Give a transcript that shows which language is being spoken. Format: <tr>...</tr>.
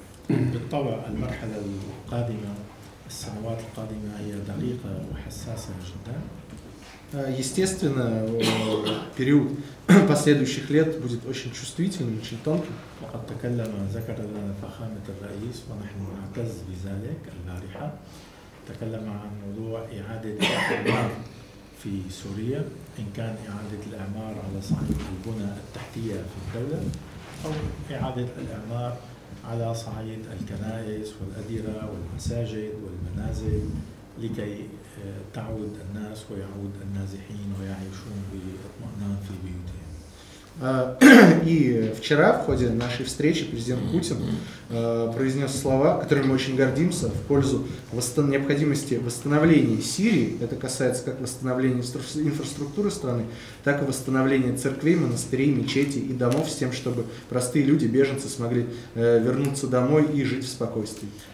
<ar>بالطبع المرحلة القادمة السنوات القادمة هي دقيقة وحساسة جدا.</ar> <ru>Естественно, период последующих лет будет очень чувствительным, очень тонким.</ru> <ar>فقد تكلم ذكر لنا فخامة الرئيس ونحن نعتز بذلك البارحة. تكلم عن موضوع إعادة الإعمار في سوريا، إن كان إعادة الإعمار على صعيد البنى التحتية في الدولة أو إعادة الإعمار على صعيد الكنائس والأديرة والمساجد والمنازل لكي تعود الناس ويعود النازحين ويعيشون باطمئنان في بيوتهم.</ar> <ru>И вчера в ходе нашей встречи президент Путин произнес слова, которыми мы очень гордимся, в пользу необходимости восстановления Сирии. Это касается как восстановления инфраструктуры страны, так и восстановления церквей, монастырей, мечетей и домов с тем, чтобы простые люди, беженцы, смогли вернуться домой и жить в спокойствии.</ru>